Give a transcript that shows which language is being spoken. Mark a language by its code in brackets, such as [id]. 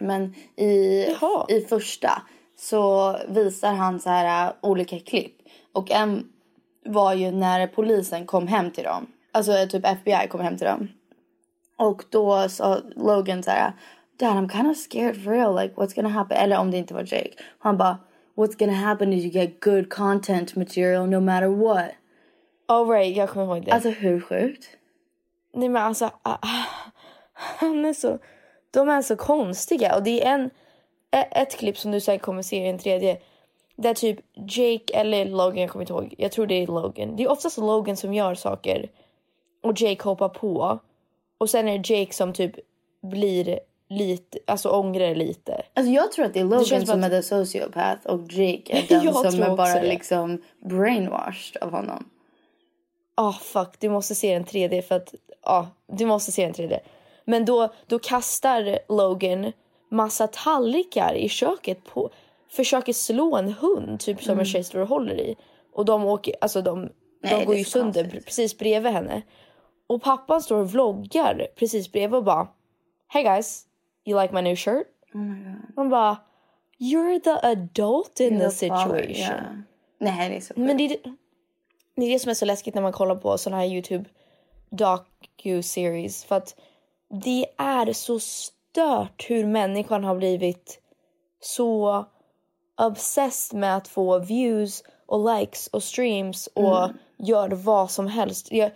[sv] Men i första så visar han så här olika klipp. Och en var ju när polisen kom hem till dem. Alltså typ FBI kom hem till dem. Och då sa Logan så här... [en] Dad, I'm kind of scared for real. Like, what's gonna happen? [sv] Eller om det inte var Jake. Han bara... [en] What's gonna happen is you get good content material no matter what. Oh right, [sv] jag kommer ihåg det. Alltså hur sjukt? Nej men alltså... Han är så... De är så konstiga. Och det är ett klipp som du säkert kommer se i en tredje. Där typ Jake eller Logan, jag kommer ihåg. Jag tror det är Logan. Det är oftast Logan som gör saker. Och Jake hoppar på. Och sen är det Jake som typ blir... lite, alltså ångrar lite. Alltså jag tror att det är Logan som är [en] the sociopath [sv] och Jake är den som är bara liksom brainwashed av honom. Ah, fuck, du måste se en 3D för att du måste se en 3D. Men då kastar Logan massa tallrikar i köket på, försöker slå en hund typ som en chaser håller i och de åker, alltså de går ju sönder precis bredvid henne. Och pappan står och vloggar precis bredvid och bara [en] hey guys, you like my new shirt? Oh my god. Man bara, you're the adult in the situation. Yeah. [sv] Nej, det är så cool. Men det är det som är så läskigt när man kollar på såna här YouTube docu-series. För att det är så stört hur människan har blivit så obsessed med att få views och likes och streams och gör vad som helst.